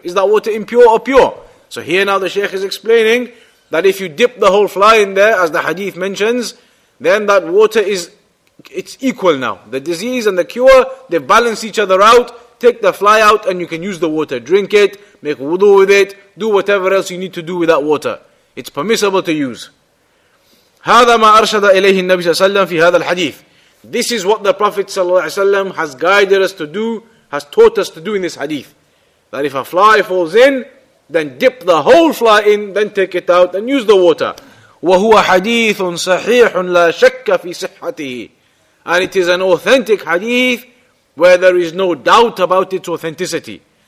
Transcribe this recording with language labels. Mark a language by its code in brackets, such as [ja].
[en] Is that water impure or pure? So here now the Shaykh is explaining that if you dip the whole fly in there, as the hadith mentions, then that water is, it's equal now. The disease and the cure, they balance each other out. Take the fly out and you can use the water. Drink it, make wudu with it, do whatever else you need to do with that water. It's permissible to use. [ar] هذا ما أرشد إليه النبي صلى الله عليه وسلم في هذا الحديث. [en] This is what the Prophet ﷺ has guided us to do has taught us to do in this hadith. That if a fly falls in, then dip the whole fly in, then take it out, and use the water. [ar] وَهُوَ حَدِيثٌ صَحِيحٌ لَا شَكَّ فِي صِحَّتِهِ. [en] And it is an authentic hadith where there is no doubt about its authenticity.